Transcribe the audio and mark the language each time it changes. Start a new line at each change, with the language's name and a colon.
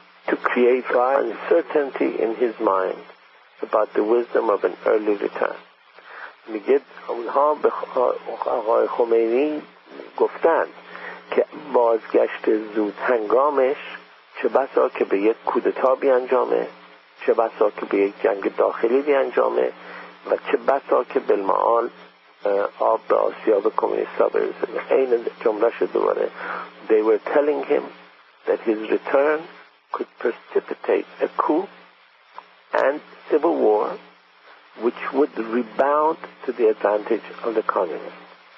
English: to create uncertainty in his mind about the wisdom of an early return.
Persian: میگه اونها به آقای خمینی گفتند که بازگشت زود هنگامش چه بسا که به یک کودتا بیانجامه، چه بسا که به یک جنگ داخلی بیانجامه و چه بسا که بالمعال آب به آسیاب کمونیست ها برسه. این جمله شد دوباره.
English: They were telling him that his return could precipitate a coup and civil war which would rebound to the advantage of the communists.